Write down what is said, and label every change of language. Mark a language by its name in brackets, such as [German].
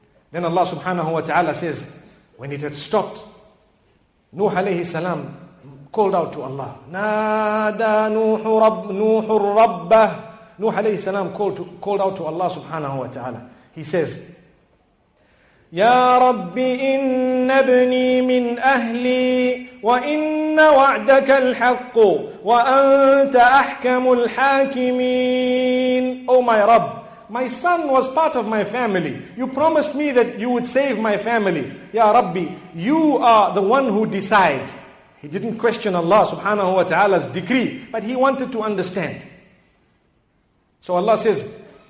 [English] Then Allah subhanahu wa ta'ala says, when it had stopped, Nuh alayhi salam called out to Allah. [Arabic] Nada Nuhur Rabbah. [English] Nuh alayhi salam called out to Allah subhanahu wa ta'ala. He says, [Arabic] يا ربي إن ابني من أهلي وإن وعدك الحق وأنت أحكم الحاكمين. [English] Oh my Rabb, my son was part of my family. You promised me that you would save my family. Ya Rabbi, you are the one who decides. He didn't question Allah subhanahu wa ta'ala's decree, but he wanted to understand. So Allah says,